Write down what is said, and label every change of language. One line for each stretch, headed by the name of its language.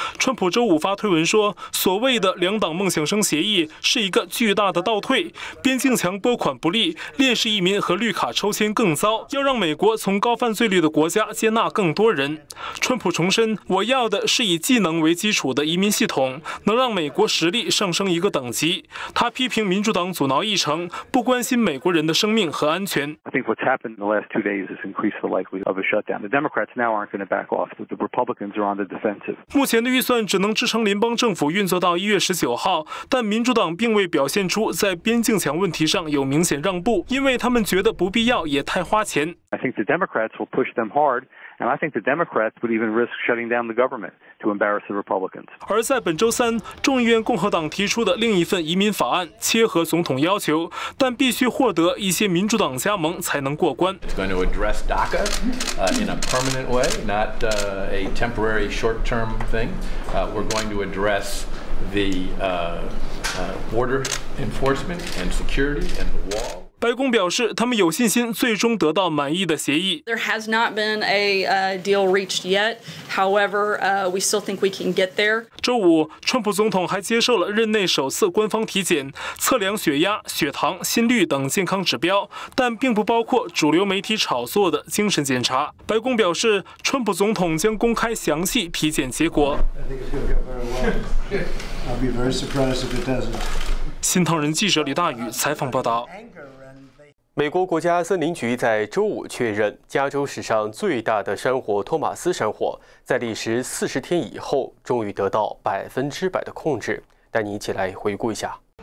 Chinese: 川普周五发推文说，所谓的两党梦想生协议是一个巨大的倒退，边境墙拨款不利，烈士移民和绿卡抽签更糟，要让美国从高犯罪率的国家接纳更多人。川普重申，我要的是以技能为基础的移民系统，能让美国实力上升一个等级。他批评民主党阻挠议程，不关心美国人的生命和安全。
English: What's happened in the last 2 days has increased the likelihood of a shutdown. The Democrats now aren't going to back off. The Republicans are on the defensive.
Chinese: 目前的预算只能支撑联邦政府运作到1月19号，但民主党并未表现出在边境墙问题上有明显让步，因为他们觉得不必要也太花钱。
English: I think the Democrats will push them hard. And I think the Democrats would even risk shutting down the government to embarrass the Republicans.
Chinese: 而在本周三，众议院共和党提出的另一份移民法案切合总统要求，但必须获得一些民主党加盟才能过关。
English: It's going to address DACA in a permanent way, not a temporary, short-term thing. We're going to address the border enforcement and security and the wall.
Chinese: 白宫表示，他们有信心最终得到满意的协议。
English: There has not been a deal reached yet. However, we still think we can get there.
Chinese: 周五，川普总统还接受了任内首次官方体检，测量血压、血糖、心率等健康指标，但并不包括主流媒体炒作的精神检查。白宫表示，川普总统将公开详细体检结果。
English: I think it's going to go very well. I'll be very surprised if it doesn't.
Chinese: 新唐人记者李大宇采访报道。美国国家森林局在周五确认，加州史上最大的山火托马斯山火在历时40天以后，终于得到100%的控制。带你一起来回顾一下。